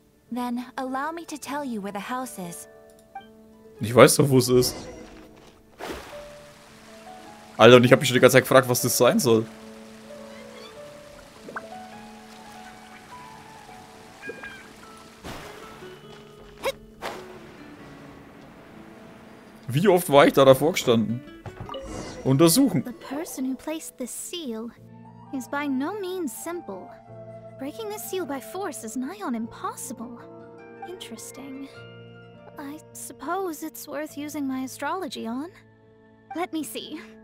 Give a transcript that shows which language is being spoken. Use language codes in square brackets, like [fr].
[en] Then allow me to tell you where the house is. [de] Ich weiß doch, wo es ist. Alter, und ich habe mich schon die ganze Zeit gefragt, was das sein soll. Wie oft war ich da davor gestanden? Untersuchen. [en] The person who placed the seal is by no means simple. Breaking the seal by force is nigh on impossible. Interesting. I suppose it's worth using my astrology on. Let me see.